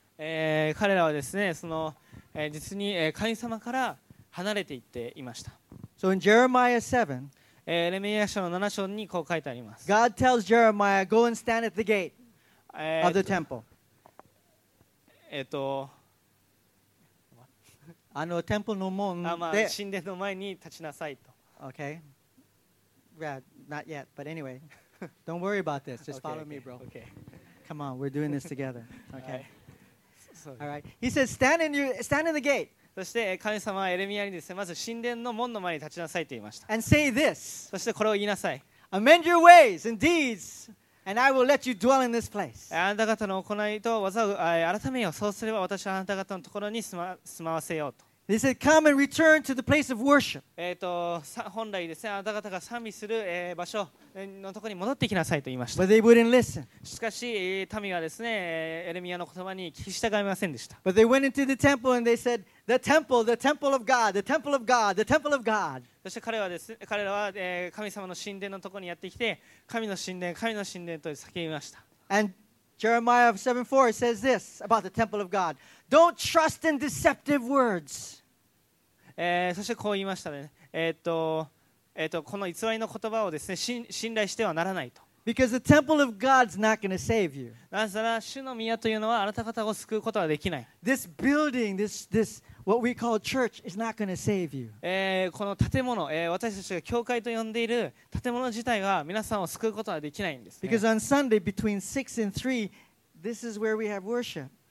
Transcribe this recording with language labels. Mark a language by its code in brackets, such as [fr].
[ja] 彼らはですね、その、実に神様から離れていっていました。 [en] So in Jeremiah 7, [ja] エレミヤ書の7章にこう書いてあります。 [en] God tells Jeremiah, go and stand at the gate of the temple. [ja] あのテンポの門で、まあ、神殿の前に立ちなさいと。 [en] Okay. Yeah, not yet, but anyway. Don't worry about this. Just follow okay, me, bro. Okay. Come on, we're doing this together. Okay. All right. He says, stand in the gate. [ja] そして神様はエレミヤにですね、まず神殿の門の前に立ちなさいと言いました。 [en] And say this. [ja] そしてこれを言いなさい。 [en] Amend your ways and deeds, and I will let you dwell in this place. [ja] あなた方の行いと技を改めよう。そうすれば私はあなた方のところに住まわせようと。 [en] He said, come and return to the place of worship. [ja] 本来ですね、あなた方が賛美する場所のところに戻ってきなさいと言いました。 [en] But they wouldn't listen. [ja] しかし、民はですね、エレミヤの言葉に聞き従いませんでした。 [en] But they went into the temple and they said, the temple of God. [ja] そして彼らは神様の神殿のところにやってきて、神の神殿、神の神殿と叫びました。 [en] And Jeremiah 7:4 says this about the temple of God. Don't trust in deceptive words. [ja] そしてこう言いましたね。この偽りの言葉をですね、信頼してはならないと。 [en] Because the temple of God's not going to save you. [ja] なぜなら主の宮というのはあなた方を救うことはできない。 [en] This building, this what we call church, is not going to save you. [ja] この建物、私たちが教会と呼んでいる建物自体は皆さんを救うことはできないんですね。 [en] Because on Sunday between 6 and 3, this is where we have worship.